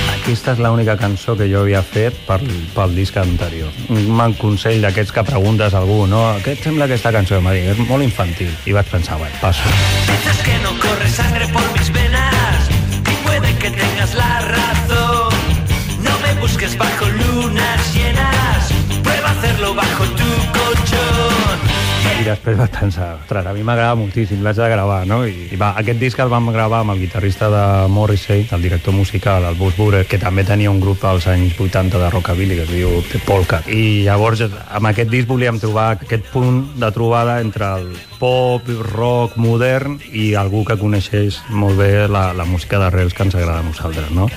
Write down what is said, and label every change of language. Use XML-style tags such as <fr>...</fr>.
<ca>Aquesta és l'única cançó que jo havia fet pel disc anterior. Un consell d'aquests que preguntes a algú, no? Què et sembla aquesta cançó? Em va dir, és molt infantil. I vaig pensar, bé, passo.</ca> <es>Dices que no corre sangre por mis venas y puede que tengas la razón. No me busques bajo lunas llenas, prueba hacerlo bajo tu colchón.</es> <ca>I després vaig pensar, ostres, a mi m'agrada moltíssim, l'haig de gravar, no? I va, aquest disc el vam gravar amb el guitarrista de Morrissey, el director musical, el Buzz Burer, que també tenia un grup als anys 80 de rockabilly, que es diu The Polka. I llavors, amb aquest disc volíem trobar aquest punt de trobada entre el pop, rock, modern, i algú que coneixés molt bé la música d'arrels que ens agrada a nosaltres, no?</ca>